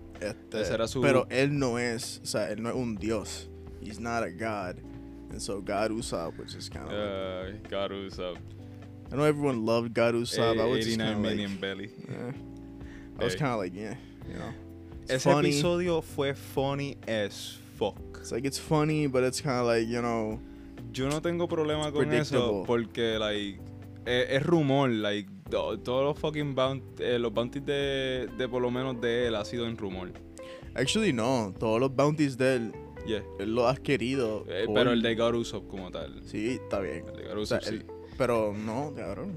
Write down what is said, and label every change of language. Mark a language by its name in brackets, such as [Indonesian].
[Spanish] Pero él no es, o sea, él no es un dios. [English] He's not a god. And so God Usopp, which is kind of like, God Usopp. I know everyone loved God Usopp. I was just kind of like, belly. Yeah. I was kind of like, yeah, you know. [Spanish] Ese [English] funny. [Spanish] Episodio fue [English] funny as fuck. It's like, it's funny, but it's kind of like, you know. [Spanish] Yo no tengo problema con eso porque, like, es rumor, like. Todos los fucking bounties de por lo menos de él ha sido en rumor. [English] Actually, no. [Spanish] Todos los bounties de él, él lo ha adquirido. Pero el de God Usopp como tal. Sí, está bien. El de God Usopp, sí. Pero no, cabrón.